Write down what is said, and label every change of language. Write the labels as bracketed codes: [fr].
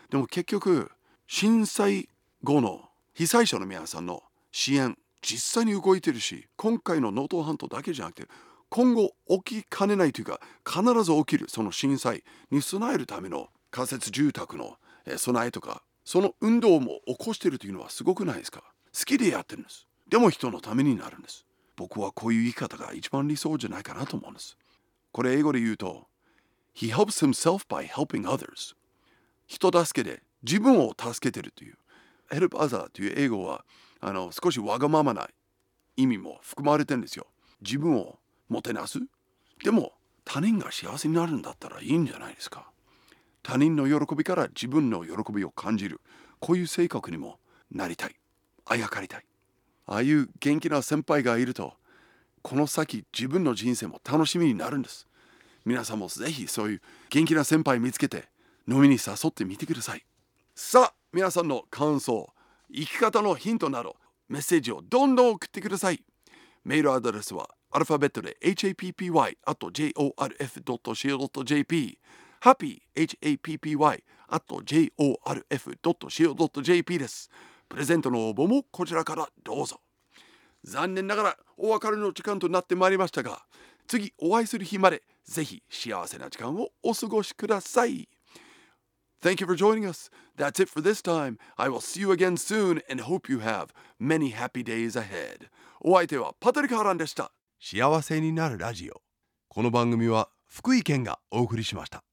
[ja] でも結局震災後の被災者の皆さんの支援実際に動いてるし、今回の能登半島だけじゃなくて今後起きかねないというか必ず起きるその震災に備えるための仮設住宅の備えとか、その運動も起こしてるというのはすごくないですか。好きでやってるんです。でも人のためになるんです。僕はこういう言い方が一番理想じゃないかなと思うんです。これ英語で言うと [en] He helps himself by helping others。 [ja] 人助けで自分を助けてるという [en] Help other [ja] という英語は少しわがままな意味も含まれてるんですよ。自分をもてなす。でも他人が幸せになるんだったらいいんじゃないですか。他人の喜びから自分の喜びを感じる、こういう性格にもなりたい、あやかりたい。ああいう元気な先輩がいるとこの先自分の人生も楽しみになるんです。皆さんもぜひそういう元気な先輩見つけて飲みに誘ってみてください。さあ皆さんの感想、生き方のヒントなどメッセージをどんどん送ってください。メールアドレスはアルファベットで happy@jorf.co.jp happy@jorf.co.jp です。プレゼントの応募もこちらからどうぞ。残念ながらお別れの時間となってまいりましたが、次お会いする日までぜひ幸せな時間をお過ごしください。 [en] Thank you for joining us. That's it for this time. I will see you again soon and hope you have many happy days ahead. [ja] お相手はパトリカーランでした。幸せになるラジオ、この番組は福井県がお送りしました。